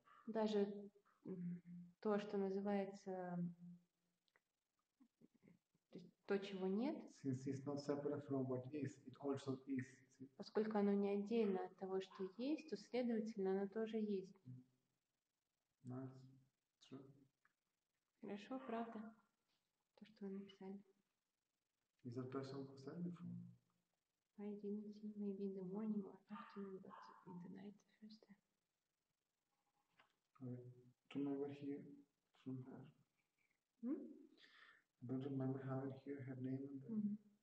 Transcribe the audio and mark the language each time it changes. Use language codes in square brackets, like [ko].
[ru] Даже то, что называется, то, чего нет, [en] since it's not separate from what is, it also is. [ru] Поскольку оно не отдельно от того, что есть, то, следовательно, оно тоже есть. [en] That's true. [ru] Хорошо, правда, то, что вы написали. [en] Is that person who said it from? I didn't see, maybe in the morning or afternoon, but in the night the first time. I don't remember here from her. Hmm? I don't remember having here her name. And then.